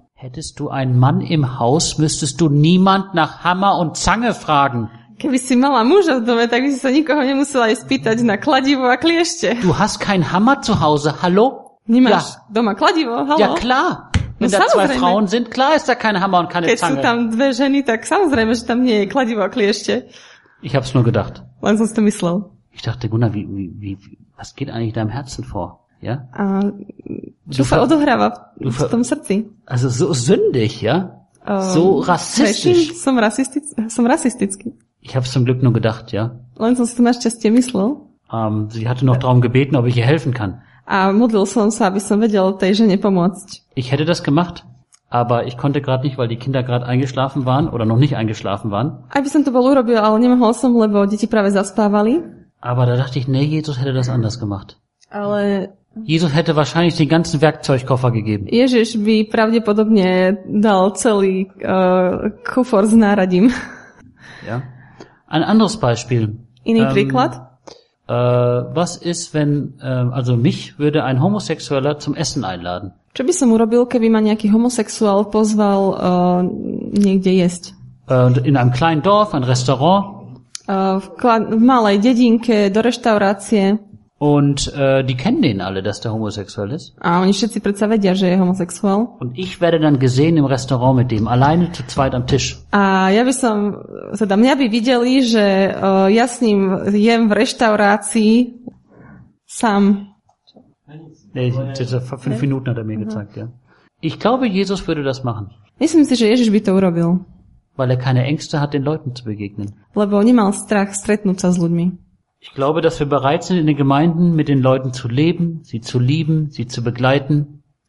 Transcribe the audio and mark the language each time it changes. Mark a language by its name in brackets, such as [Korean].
[German] Hättest du einen Mann im Haus, müsstest du niemand nach Hammer und Zange fragen. [Slovak] Keby si mala muža v dome, tak by si sa nikoho nemusela aj spýtať na kladivo a kliešte. [German] Du hast kein Hammer zu Hause, hallo? [Slovak] Nemáš ja. Doma kladivo, hallo? [German] Ja, klar. Wenn no, da zwei Frauen sind, klar ist da kein Hammer und keine [Slovak] Keď [German] Zange. [Slovak] Keď sú tam dve ženy, tak samozrejme, že tam nie je kladivo a kliešte. [German] Ich hab's nur gedacht. [Slovak] Len som si to myslel. [German] Ich dachte, Gunnar, was geht eigentlich deinem Herzen vor? Ja? [Slovak] Čo sa odohráva v tom srdci? [German] Also so sündig, ja? So rasistisch. Prečin, [Slovak] som rasistický. [German] Ich habe es zum Glück nur gedacht, ja. [Slovak] Len som si to na šťastie myslel. [German] Sie hatte noch darum gebeten, ob ich ihr helfen kann. [Slovak] A modlil som sa, aby som vedel tej žene pomôcť. [German] Ich hätte das gemacht, aber ich konnte gerade nicht, weil die Kinder gerade eingeschlafen waren oder noch nicht eingeschlafen waren. [Slovak] Aj by som to bol urobil, ale nemohol som, lebo deti práve zaspávali. [German] Aber da dachte ich, nee, Jesus hätte das anders gemacht. [Slovak] Ale [German] Jesus hätte wahrscheinlich den ganzen Werkzeugkoffer gegeben. [Slovak] Ježiš by pravdepodobne dal celý kufor s náradím. [German] Ja. Ein anderes Beispiel. [Slovak] Iný príklad. [German] Was ist, wenn, also mich würde ein Homosexueller zum Essen einladen? [Slovak] Čo by som urobil, keby ma nejaký homosexuál pozval niekde jesť? [German] In einem kleinen Dorf, ein Restaurant. [Slovak] V malej dedinke, do reštaurácie. [German] Und die kennen den alle, dass der homosexuell ist. [Slovak] A oni všetci predsa vedia, že je homosexuál. [German] Und ich werde dann gesehen im Restaurant mit dem, alleine zu zweit am Tisch. [Slovak] A ja by som, teda mňa by videli, že ja s ním jem v reštaurácii sám. [German] Nee, 5 Minuten hat er mir gezeigt, ja. Ich glaube, Jesus würde das machen. [Slovak] Myslím si, že Ježiš by to urobil. [German] Weil er keine Ängste hat, den Leuten zu begegnen. [Slovak] Lebo nemal strach stretnúť sa s ľuďmi. [German] Ich glaube, dass wir bereit sind, in den Gemeinden mit den Leuten zu leben, sie zu lieben, sie zu begleiten.